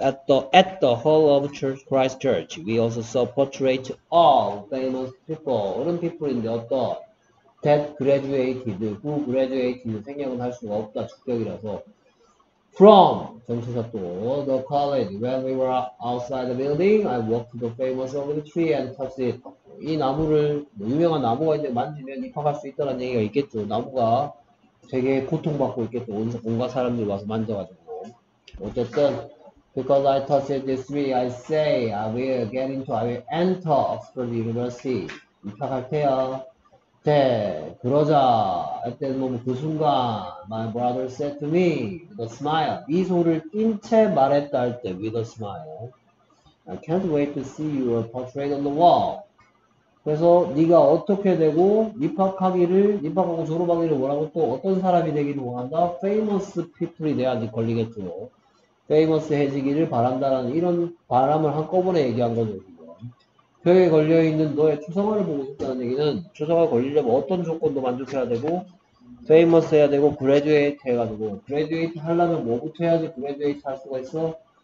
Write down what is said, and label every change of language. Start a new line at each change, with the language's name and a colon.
English: At the Hall of Church, Christ Church, we also saw portrait all famous people.
Korean: 어른 people인데 어떤
English: that graduated, who graduated
Korean: 생략은 할 수가 없다. 축격이라서.
English: From
Korean: 전체사 또
English: the college when we were outside the building, I walked the famous oak tree and touched it.
Korean: 이 나무를 뭐 유명한 나무가 이제 만지면 입학할 수 있다는 얘기가 있겠죠. 나무가 되게 고통받고 있겠죠. 온갖 사람들이 와서 만져가지고. 어쨌든
English: because I touched this tree, I say I will enter Oxford University.
Korean: 입학할 테야. 네, 그러자,
English: at that moment,
Korean: 그 순간,
English: my brother said to me, with a smile,
Korean: 미소를 띈 채 말했다 할 때,
English: with a smile, I can't wait to see your portrait on the wall.
Korean: 그래서, 네가 어떻게 되고, 입학하고 졸업하기를 원하고 또 어떤 사람이 되기를 원한다?
English: famous people
Korean: 이 돼야지 걸리겠죠. famous 해지기를 바란다라는 이런 바람을 한꺼번에 얘기한 거죠. 벽에 걸려있는 너의 초상화를 보고 싶다는 얘기는 초상화 걸리려면 어떤 조건도 만족해야 되고 famous 해야 되고 graduate 해가지고 graduate 하려면 뭐부터 해야지 graduate 할 수가 있어?